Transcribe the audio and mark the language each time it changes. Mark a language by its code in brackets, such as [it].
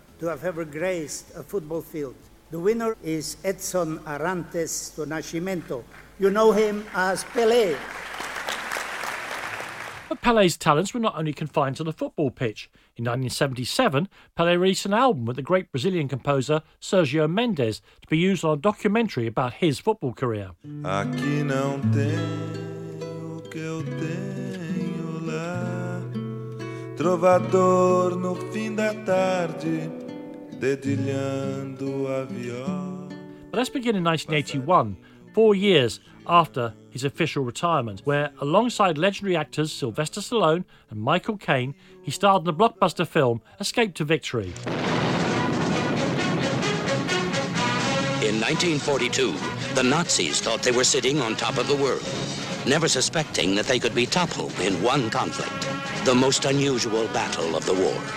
[en] to have ever graced a football field. The winner is Edson Arantes do Nascimento. You know him as Pelé. But Pelé's talents were not only confined to the football pitch. In 1977, Pelé released an album with the great Brazilian composer Sergio Mendes to be used on a documentary about his football career. [pt] Aqui não tem o que eu tenho lá. Trovador no fim da tarde, dedilhando a viola. [en] But let's begin in 1981, 4 years after his official retirement, where alongside legendary actors Sylvester Stallone and Michael Caine, he starred in the blockbuster film Escape to Victory. In 1942, the Nazis thought they were sitting on top of the world, never suspecting that they could be toppled in one conflict, the most unusual battle of the war.